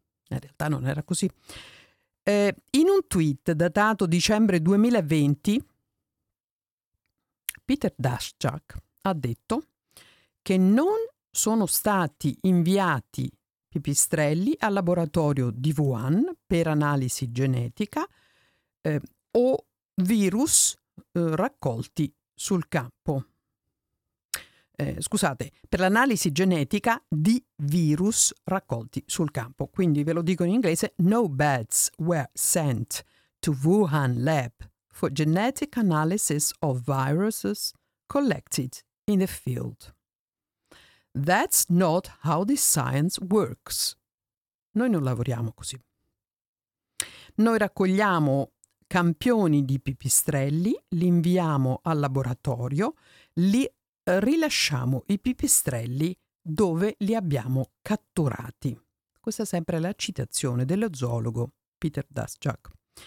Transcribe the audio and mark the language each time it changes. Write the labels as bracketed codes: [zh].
[it] In realtà non era così. In un tweet datato dicembre 2020, Peter Daszczak ha detto che non sono stati inviati pipistrelli al laboratorio di Wuhan per analisi genetica o virus raccolti sul campo. Scusate, per l'analisi genetica di virus raccolti sul campo. Quindi ve lo dico in inglese: [en] no bats were sent to Wuhan lab for genetic analysis of viruses collected in the field. That's not how this science works. [it] Noi non lavoriamo così. Noi raccogliamo campioni di pipistrelli, li inviamo al laboratorio, li rilasciamo i pipistrelli dove li abbiamo catturati. Questa è sempre la citazione dello zoologo Peter Daszczak.